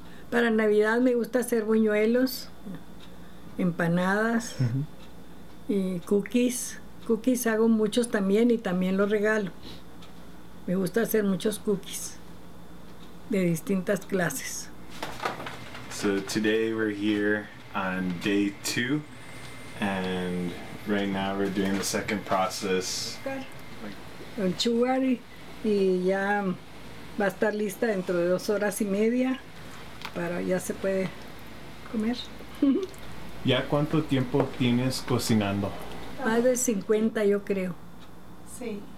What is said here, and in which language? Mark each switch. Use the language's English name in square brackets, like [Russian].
[Spanish] Para Navidad me gusta hacer buñuelos, empanadas y cookies. Cookies hago muchos también y también los regalo. Me gusta hacer muchos cookies de distintas clases. [English] So today we're here on day 2 and right now we're doing the second process. [Spanish] El sugar y ya va a estar lista dentro de 2 horas y media para ya se puede comer. ¿Ya cuánto tiempo tienes cocinando? Más de 50, yo creo. Sí.